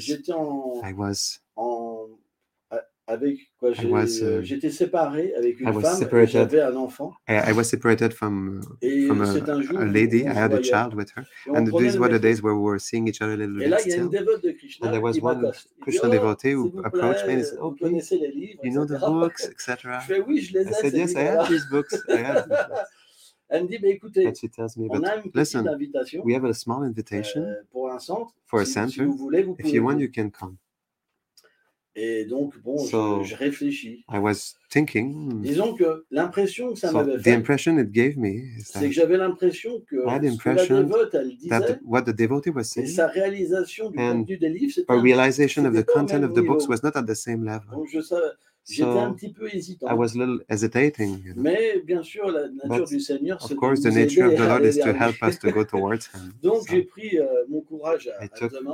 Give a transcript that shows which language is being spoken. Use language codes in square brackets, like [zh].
[fr] j'étais séparé avec une femme et j'avais un enfant. [en] I was separated from a lady. I had a child with her. And these were the days where we were seeing each other a little bit still. [fr] Et là, il y a une dévote de Krishna. [en] And there was one Krishna devotee who approached me and said, OK, you know the books, etc. [fr] Je fais, oui, je les ai. [en] I said, yes, I have these books. [fr] Elle me dit, mais écoutez, [en] and she tells me, but listen, we have a small invitation [fr] pour un centre, [en] for a center. [fr] Si vous voulez, vous [en] if you want, you can come. [fr] Et donc, bon, [en] so [fr] je réfléchis. [en] I was thinking. [fr] Disons que l'impression que ça m'avait fait, [en] the impression it gave me is that [fr] c'est que j'avais l'impression que [en] I had the impression that what the devotee was saying [fr] et sa réalisation du contenu des livres, [en] a realization of the content of the books was not at the same level. [fr] Donc je savais, j'étais un petit peu hésitant. [en] I was a little hesitating. You know. [fr] Mais bien sûr, la nature [en] but [fr] du Seigneur, [en] of course, the nature of the Lord is to help us to go towards Him. [fr] Donc so j'ai pris mon courage à demain.